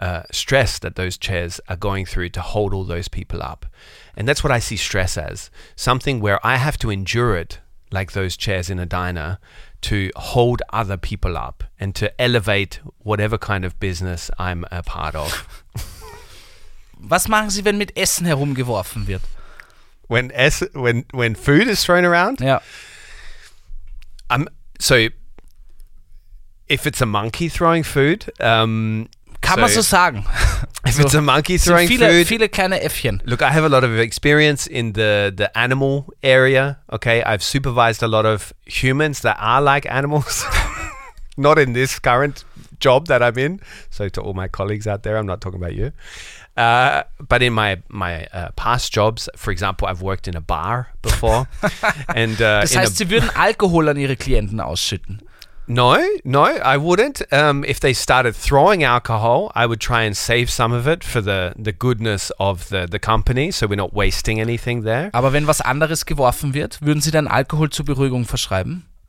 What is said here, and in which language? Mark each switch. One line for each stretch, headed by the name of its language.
English: stress that those chairs are going through to hold all those people up. And that's what I see stress as, something where I have to endure it, like those chairs in a diner, to hold other people up and to elevate whatever kind of business I'm a part of.
German: Was machen Sie, wenn mit Essen herumgeworfen wird?
English: When food is thrown around? Yeah. So if it's a monkey throwing food,
German: kann man so sagen.
English: If it's a monkey throwing food.
German: Viele kleine Äffchen.
English: Look, I have a lot of experience in the animal area, okay? I've supervised a lot of humans that are like animals. Not in this current job that I'm in. So to all my colleagues out there, I'm not talking about you. But in my past jobs, for example, I've worked in a bar before. And
German: das heißt, Sie würden Alkohol an Ihre Klienten ausschütten.
English: No, I wouldn't. If they started throwing alcohol, I would try and save some of it for the goodness of the company, so we're not wasting anything there.
German: Aber wenn was anderes geworfen wird, würden Sie dann Alkohol zur Beruhigung verschreiben?